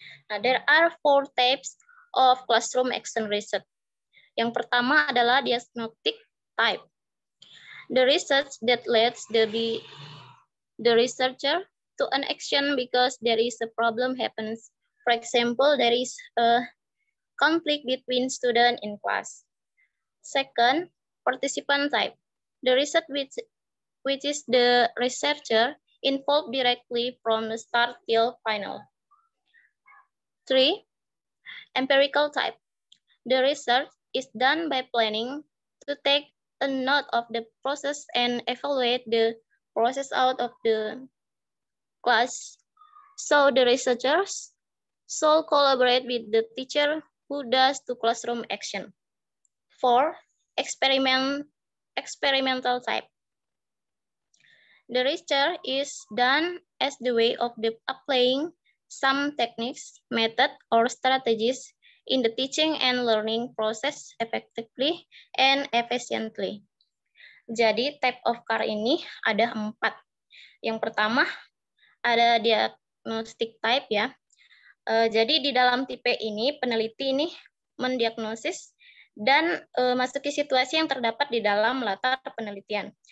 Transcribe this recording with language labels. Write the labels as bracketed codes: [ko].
[en] Nah, there are four types of classroom action research. [id] Yang pertama adalah diagnostic type. [en] The research that leads the researcher to an action because there is a problem happens. For example, there is a conflict between student in class. Second, participant type. The research which is the researcher involved directly from the start till final. Three, empirical type. The research is done by planning to take a note of the process and evaluate the process out of the class. So the researchers should collaborate with the teacher who does the classroom action. Four, experimental type. The research is done as the way of the applying some techniques, method, or strategies in the teaching and learning process effectively and efficiently. [id] Jadi, [en] type of CAR [id] ini ada empat. Yang pertama, ada diagnostic type ya. Jadi, di dalam tipe ini, peneliti ini mendiagnosis dan masuki situasi yang terdapat di dalam latar penelitian.